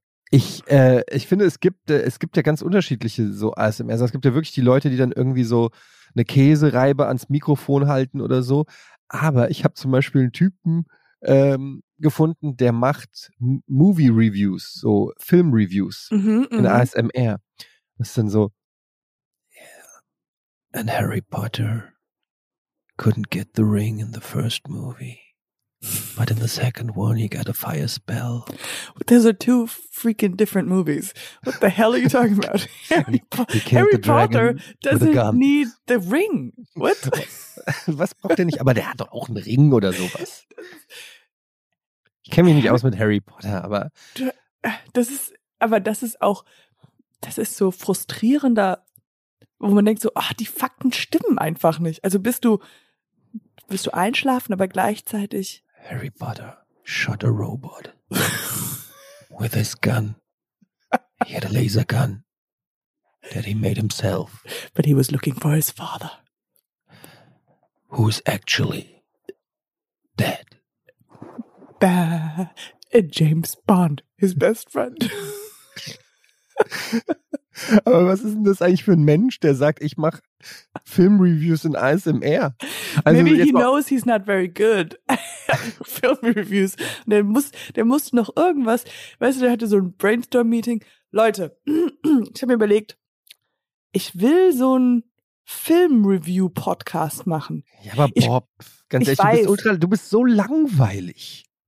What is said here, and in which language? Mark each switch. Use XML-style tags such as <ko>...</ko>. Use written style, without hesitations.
<de>Ich finde, es gibt ja ganz unterschiedliche so ASMR, es gibt ja wirklich die Leute, die dann irgendwie so eine Käsereibe ans Mikrofon halten oder so. Aber ich habe zum Beispiel einen Typen gefunden, der macht Movie-Reviews, so Film-Reviews in ASMR. Das ist dann so, yeah.</de> <en>And Harry Potter couldn't get the ring in the first movie. But in the second one, he got a fire spell. Those are two freaking different movies. What the hell are you talking about? Harry Potter doesn't need the ring. What?</en> <de>Was braucht er nicht? Aber der hat doch auch einen Ring oder sowas. Ich kenne mich nicht aus mit Harry Potter, aber... Das ist so frustrierender, wo man denkt so, ach, die Fakten stimmen einfach nicht. Also bist du einschlafen, aber gleichzeitig...</de> <en>Harry Potter shot a robot with his gun. He had a laser gun that he made himself. But he was looking for his father. Who's actually dead. And James Bond, his best friend.</en> <de>Aber was ist denn das eigentlich für ein Mensch, der sagt, ich mache Filmreviews in ASMR?</de> <en>Also maybe he knows he's not very good at Filmreviews.</en> <de>Und der muss noch irgendwas, weißt du, der hatte so ein Brainstorm-Meeting. Leute, ich habe mir überlegt, ich will so ein Filmreview-Podcast machen. Ja, aber Bob, ganz ehrlich, du bist so langweilig.</de>